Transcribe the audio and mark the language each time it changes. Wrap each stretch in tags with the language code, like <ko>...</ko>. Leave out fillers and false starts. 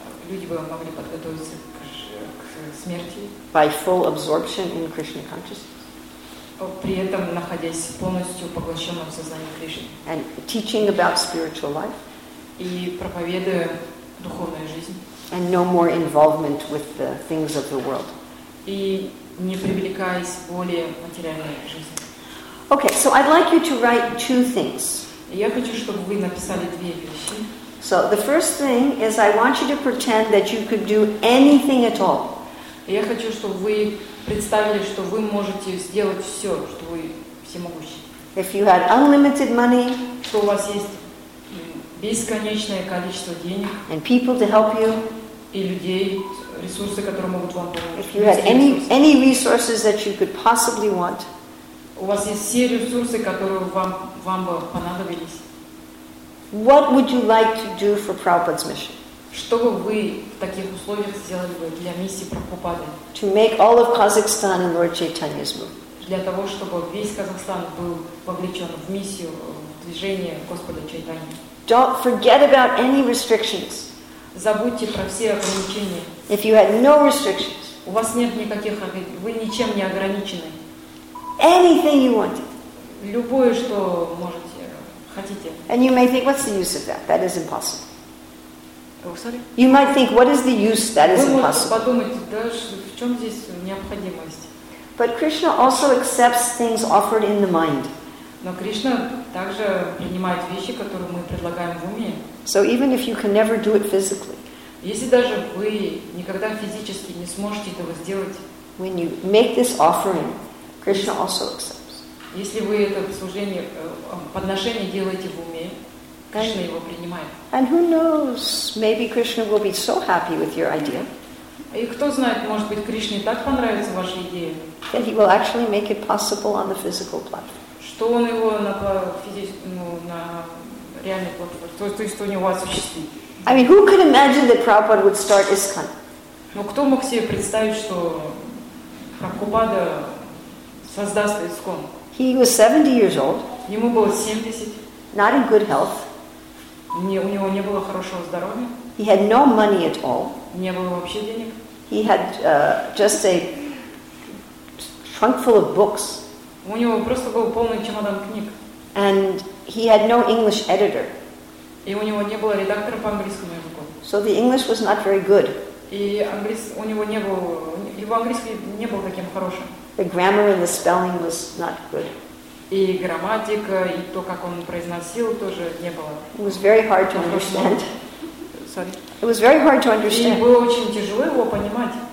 <ru>Люди бы могли подготовиться к смерти.</ru> <en>By full absorption in Krishna consciousness.</en> <ru>При этом находясь полностью поглощенным в сознании Кришны.</ru> <en>And teaching about spiritual life.</en> <ru>И проповедуя духовную жизнь.</ru> <en>And no more involvement with the things of the world.</en> <ru>И не привлекаясь более материальной жизни.</ru> <en>Okay, so I'd like you to write two things.</en> <ru>Я хочу, чтобы вы написали две вещи.</ru> <en>So the first thing is I want you to pretend that you could do anything at all.</en> <ru>Я хочу, чтобы вы представили, что вы можете сделать все, что вы всемогущий.</ru> <en>If you had unlimited money,</en> <ru>что у вас есть бесконечное количество денег,</ru> <en>and people to help you,</en> <ru>и людей, ресурсы, которые могут вам помочь.</ru> <en>If you had any resources that you could possibly want,</en> <ru>у вас есть все ресурсы, которые вам бы понадобились.</ru> <en>What would you like to do for Prabhupada's mission?</en> <ru>Что бы вы в таких условиях сделали бы для миссии Прабхупады?</ru> <en>To make all of Kazakhstan and Lord Chaitanya's move.</en> <ru>Для того, чтобы весь Казахстан был вовлечен в миссию, в движение Господа Чайтани.</ru> <en>Don't forget about any restrictions.</en> <ru>Забудьте про все ограничения.</ru> <en>If you had no restrictions.</en> <ru>У вас нет никаких ограничений. Вы ничем не ограничены.</ru> <en>Anything you wanted.</en> <ru>Любое, что можете.</ru> <en>And you may think, what's the use of that? That is impossible. Oh, sorry. You might think, what is the use? That is impossible.</en> <ru>Вы можете подумать, да, в чем здесь необходимость?</ru> <en>But Krishna also accepts things offered in the mind.</en> <ru>Но Кришна также принимает вещи, которые мы предлагаем в уме.</ru> <en>So even if you can never do it physically.</en> <ru>Если даже вы никогда физически не сможете этого сделать.</ru> <en>When you make this offering, Krishna also accepts.</en> <ru>Если вы это служение, подношение делаете в уме, Кришна его принимает.</ru> <en>And who knows, maybe Krishna will be so happy with your idea.</en> <ru>И кто знает, может быть, Кришне так понравится ваша идея.</ru> <en>That he will actually make it possible on the physical platform.</en> <ru>Что он его на реальной платформе, то есть что у него осуществит.</ru> <en>I mean, who could imagine that Prabhupada would start ISKCON?</en> <ru>Ну, кто мог себе представить, что Прабхупада создаст ISKCON?</ru> <en>He was 70 years old.</en> <ru>Ему было 70.</ru> <en>Not in good health.</en> <ru>У него не было хорошего здоровья.</ru> <en>He had no money at all.</en> <ru>Не было вообще денег.</ru> <en>He had just a trunk full of books.</en> <ru>У него просто был полный чемодан книг.</ru> <en>And he had no English editor.</en> <ru>И у него не было редактора по английскому языку.</ru> <en>So the English was not very good.</en> <ru>И английский у него не был, его английский не был таким хорошим.</ru> <en>The grammar and the spelling was not good.</en> <ru>И грамматика, и то, как он произносил, тоже не было.</ru> <en>It was very hard to understand. Sorry. It was very hard to understand.</en> <ru>И было очень тяжело его понимать.</ru>